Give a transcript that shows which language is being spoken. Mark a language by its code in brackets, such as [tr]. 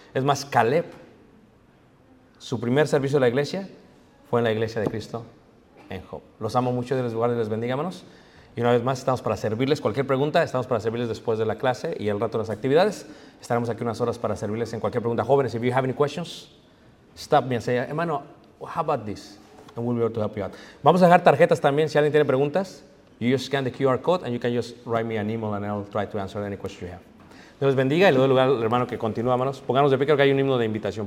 [es] Es más, Caleb, su primer servicio a la iglesia fue en la iglesia de Cristo. En Hope. Los amo mucho, de los lugares, les bendiga, hermanos. Y una vez más, estamos para servirles. Cualquier pregunta, estamos para servirles después de la clase y el rato de las actividades. Estaremos aquí unas horas para servirles en cualquier pregunta. [en] Jóvenes, if you have any questions, stop me and say, hermano, how about this? And we'll be able to help you out. [es] Vamos a dejar tarjetas también, si alguien tiene preguntas. [en] You just scan the QR code and you can just write me an email and I'll try to answer any questions you have. [es] Dios les bendiga y le doy lugar al hermano que continúa, hermanos. Pongamos de pie, creo que hay un himno de invitación.